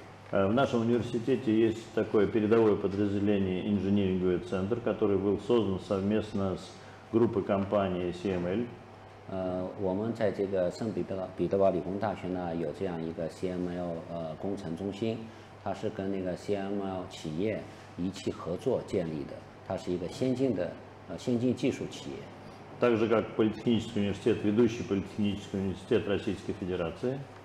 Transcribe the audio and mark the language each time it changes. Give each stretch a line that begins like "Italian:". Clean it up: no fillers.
Russian: В нашем университете есть такое передовое подразделение инжиниринговый центр, который был создан совместно с группы компании CML.
Chinese: 我们在这个圣彼得堡理工大学呢，有这样一个 CML 工程中心，它是跟那个 CML 企业一起合作建立的，它是一个先进的先进技术企业。
Russian: Также как политехнический университет, ведущий политехнический университет Российской Федерации.